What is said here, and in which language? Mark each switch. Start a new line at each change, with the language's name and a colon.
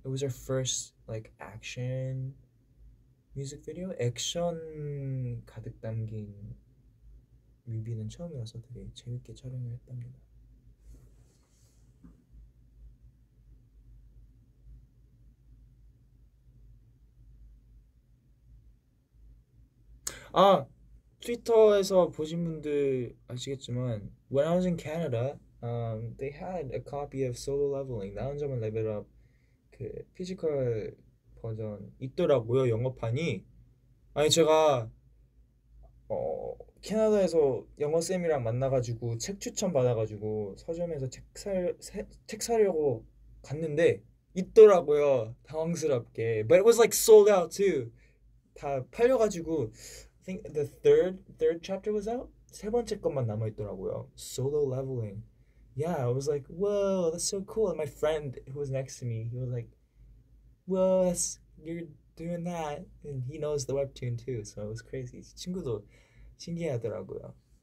English: It was our first like action music video.
Korean: 액션 가득 담긴 뮤비는 처음이라서 되게 재밌게 촬영을 했답니다. 아, 트위터에서 보신 분들 아시겠지만
English: when I was in Canada they had a copy of Solo Leveling.
Korean: 나 혼자만 레벨업 그 피지컬 버전 있더라고요. 영어판이. 아니 제가 캐나다에서 영어 쌤이랑 만나가지고 책 추천 받아가지고 서점에서 책 사려고 갔는데 있더라고요. 당황스럽게.
English: But it was like sold out too.
Korean: 다 팔려가지고
English: I think the third chapter was out.
Korean: 세 번째 것만 남아 있더라고요.
English: Solo Leveling. Yeah, I was like, whoa, that's so cool. And my friend who was next to me, he was like, whoa, you're doing that. And he knows the webtoon too, so it was crazy.
Korean: 친구도 신기하더라고요.